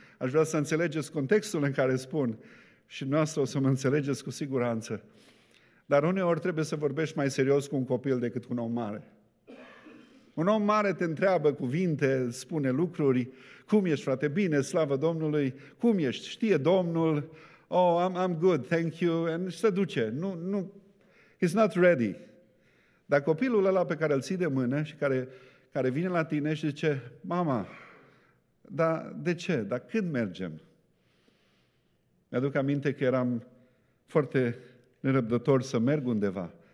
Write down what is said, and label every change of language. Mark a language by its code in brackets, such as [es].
[ro] Aș vrea să înțelegeți contextul în care spun. Și noastră o să mă înțelegeți cu siguranță. Dar uneori trebuie să vorbești mai serios cu un copil decât cu un om mare. Un om mare te întreabă cuvinte, spune lucruri. Cum ești, frate? Bine, slavă Domnului. Cum ești? Știe Domnul. [en] Oh, I'm good, thank you, and [ro] se duce. [en] Nu, he's not ready. [ro] Dar copilul ăla pe care îl ții de mână și care vine la tine și zice, mama, dar de ce? Dar când mergem? Mi-aduc aminte că eram foarte nerăbdător să merg undeva.